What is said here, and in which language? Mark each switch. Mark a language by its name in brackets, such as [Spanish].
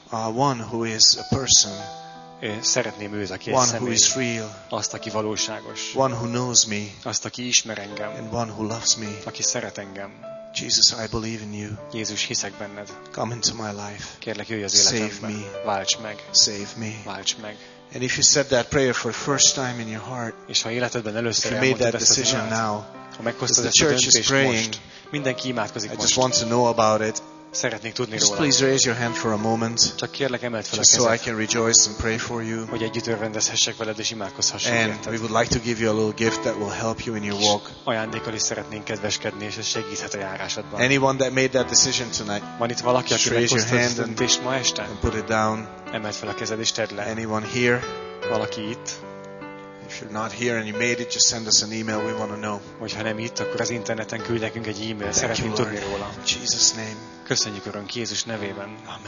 [English] A one who is a person. [Hungarian] Szeretném őt, aki [English] one személy, who is real, [Hungarian] azt, aki valóságos, [English] one who knows me, [Hungarian] azt, aki ismer engem, [English] and one who loves me, [Hungarian] aki szeret engem. [English] Jesus, I believe in you. [Hungarian] Jézus, hiszek benned. [English] Come into my life. [Hungarian] Kérlek, jöjj az életembe. [English] Save me. [Hungarian] Válts meg. [English] Save me. [Hungarian] Válts meg. [English] And if you said that prayer for the first time in your heart, [Hungarian] és ha életedben először [English] you made that decision [Hungarian] ezt, [English] now, [Hungarian] ha meghoztad ezt a döntést [English] praying, [Hungarian] most, mindenki imádkozik [English] I [Hungarian] most. [English] I just want to know about it. [Hungarian] Szeretnék tudni róla. [English] Just please raise your hand for a moment. [Hungarian] Csak kérlek, emeld fel a kezed. [English] So I can rejoice and pray for you. [Hungarian] Hogy együtt örvendezhessek veled és imádkozhassunk. [English] And we would like to give you a little gift that will help you in your walk. [Hungarian] Ajándékkal is szeretnénk kedveskedni és ez segíthet a járásodban. [English] Anyone that made that decision tonight? [Hungarian] Van itt valaki, aki meghozta a döntést ma este? [English] And put it down. [Hungarian] Emeld fel a kezed és tedd le. [English] Anyone here? [Hungarian] Valaki itt? [English] If you're not here and you made it, just send us an email. We want to know. [Hungarian] Hogyha nem itt, akkor az interneten küldj nekünk egy e-mail. Szeretnénk tudni róla. [English] Jesus name. [Hungarian] Köszönjük, Urunk, Jézus nevében.